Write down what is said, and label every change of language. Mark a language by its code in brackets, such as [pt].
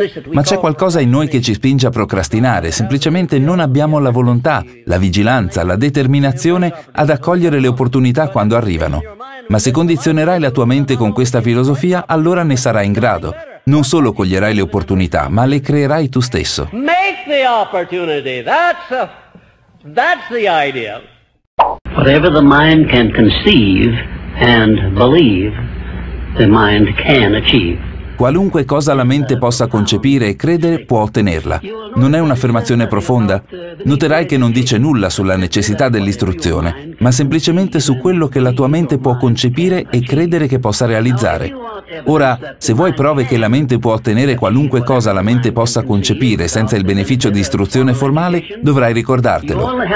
[it] Ma c'è qualcosa in noi che ci spinge a procrastinare, semplicemente non abbiamo la volontà, la vigilanza, la determinazione ad accogliere le opportunità quando arrivano. Ma se condizionerai la tua mente con questa filosofia, allora ne sarai in grado. Non solo coglierai le opportunità, ma le creerai tu stesso. [en] Make the opportunity, that's the idea. Whatever the mind can conceive and believe, the mind can achieve. [it] Qualunque cosa la mente possa concepire e credere può ottenerla. Non è un'affermazione profonda? Noterai che non dice nulla sulla necessità dell'istruzione, ma semplicemente su quello che la tua mente può concepire e credere che possa realizzare. Ora, se vuoi prove che la mente può ottenere qualunque cosa la mente possa concepire senza il beneficio di istruzione formale, dovrai ricordartelo.